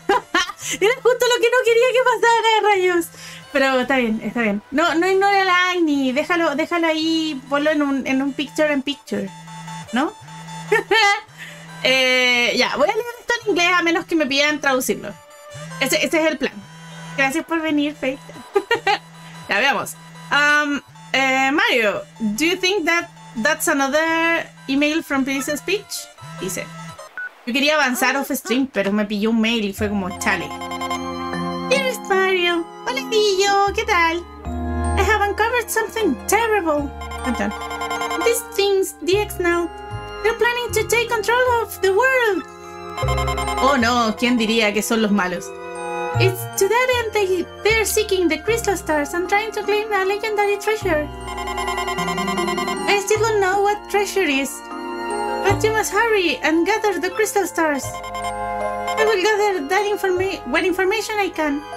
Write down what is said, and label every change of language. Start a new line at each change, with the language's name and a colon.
Spanish: Era justo lo que no quería que pasara, rayos. Pero está bien, está bien. No, no ignore el Agni. Déjalo ahí. Ponlo en un picture in picture. ¿No? ya, voy a leer esto en inglés a menos que me pidan traducirlo. Ese es el plan. Gracias por venir, Faith. Ya, veamos.
English: Mario, do you think that's another email from Princess Peach?
Spanish: Dice. Yo quería avanzar
English: off stream,
Spanish: pero me pilló un mail y fue como chale.
English: Dearest Mario,
Spanish: hola Guillo, ¿qué tal?
English: I have uncovered something terrible.
Spanish: Perdón.
English: This thing's DX now. They're planning to take control of the world.
Spanish: Oh no, ¿quién diría que son los malos?
English: It's to that end they're seeking the Crystal Stars and trying to claim a legendary treasure. I still don't know what treasure is. But you must hurry and gather the Crystal Stars. I will gather that what information I can.